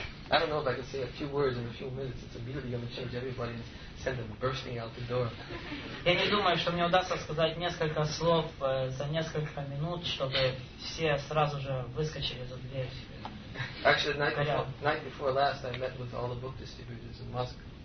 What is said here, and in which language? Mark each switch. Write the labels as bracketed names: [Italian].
[English] I don't know if I can say a few words in a few minutes. It's immediately going to change everybody and send them bursting out the door. [Russian] Я не думаю, что мне удастся сказать несколько слов за несколько минут, чтобы все сразу же выскочили за дверь. [English] Actually, night before last, I met with all the book distributors in Moscow.